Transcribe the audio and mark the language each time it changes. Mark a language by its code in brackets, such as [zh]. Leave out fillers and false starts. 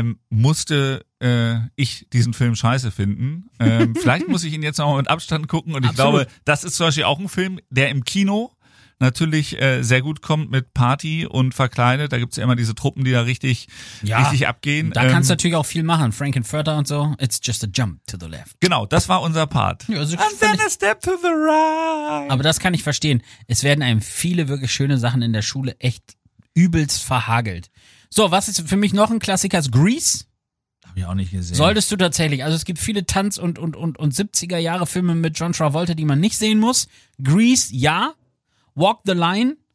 [de] musste ich diesen Film scheiße finden. Vielleicht muss ich ihn jetzt nochmal mit Abstand gucken. Und ich glaube, das ist zum Beispiel auch ein Film, der im Kino natürlich sehr gut kommt mit Party und verkleidet. Da gibt es ja immer diese Truppen, die da richtig, ja, richtig abgehen. Da kannst du natürlich auch viel machen. Frankenfurter und so. [en] It's just a jump to the left. [de] Genau, das war unser Part. Ja, also [en] and then a step to the right. [de] Aber das kann ich verstehen. Es werden einem viele wirklich schöne Sachen in der Schule echt übelst verhagelt. So, was ist für mich noch ein Klassiker? Ist Grease? Hab ich auch nicht gesehen. Solltest du tatsächlich. Also es gibt viele Tanz- und 70er-Jahre-Filme mit John Travolta, die man nicht sehen muss. Grease, ja. Walk the Line.